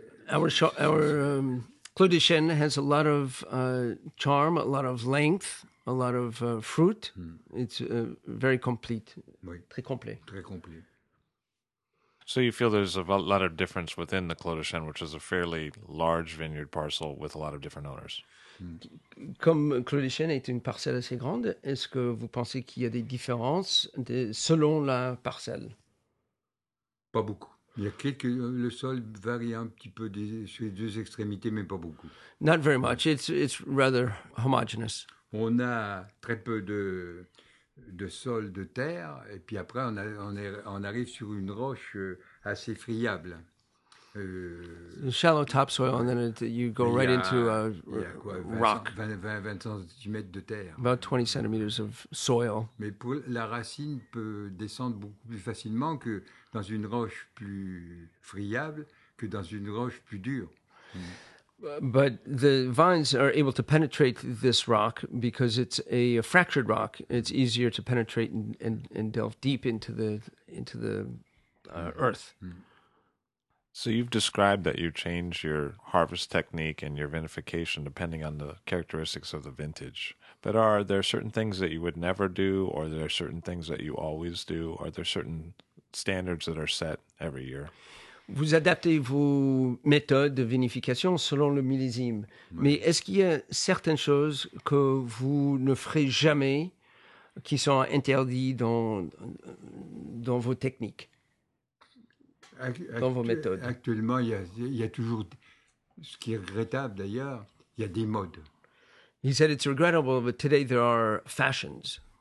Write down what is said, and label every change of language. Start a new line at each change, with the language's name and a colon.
English: Our Clos des Chênes has a lot of charm, a lot of length, a lot of fruit. It's very complete.
French: Oui. Très complet. Très complet.
English: So you feel there's a lot of difference within the Clos des Chênes, which is a fairly large vineyard parcel with a lot of different owners.
French: Comme Clos des Chênes est une parcelle assez grande, est-ce que vous pensez qu'il y a des différences selon la parcelle? Pas beaucoup. Il y a quelques, le sol varie un petit peu des, sur les deux extrémités, mais pas beaucoup.
English: Not very much. It's rather homogeneous.
French: On a très peu de sol de terre, et puis après, on arrive sur une roche assez friable.
English: Shallow topsoil, and then you go right into a rock.
French: 20 centimètres de terre.
English: About 20 centimeters of soil.
French: Mais pour, la racine peut descendre beaucoup plus facilement que dans une roche plus friable que dans une roche plus dure.
English: But the vines are able to penetrate this rock because it's a fractured rock. It's easier to penetrate and delve deep into the earth. So you've described that you change your harvest technique and your vinification depending on the characteristics of the vintage. But are there certain things that you would never do, or there are certain things that you always do? Are there certain standards that are set every year?
French: Vous adaptez vos méthodes de vinification selon le millésime. Oui. Mais est-ce qu'il y a certaines choses que vous ne ferez jamais qui sont interdites dans vos techniques, dans vos méthodes? Actuellement, il y a toujours, ce qui est regrettable d'ailleurs, il y a des modes.
English: He said it's regrettable, but today there are fashions.